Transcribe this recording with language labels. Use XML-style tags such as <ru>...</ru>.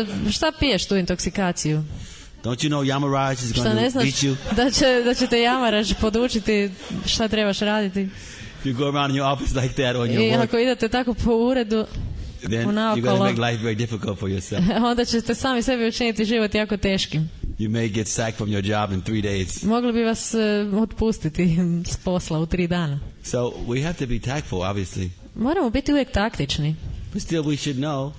<hr>Šta piješ tu intoksikaciju?</hr> <en>Don't you know Yamaraj is going to beat you?</en> <hr>Da će te Yamaraj podučiti šta trebaš raditi.</hr> <en>You go around in your office like that on your work.</en> <hr>I ako idete tako po uredu,</hr> <en>then</en> <hr>unaokolo,</hr> <en>you're going to make life very difficult for yourself.</en> <hr>Onda ćete sami sebi učiniti život jako teškim.</hr> <en>You may get sacked from your job in 3 days.</en> <hr>Mogli bi vas otpustiti s posla u 3 dana.</hr> <en>So we have to be tactful, obviously.</en> <hr>Moramo biti uvijek taktični.</hr> <en>But still we should know.</en>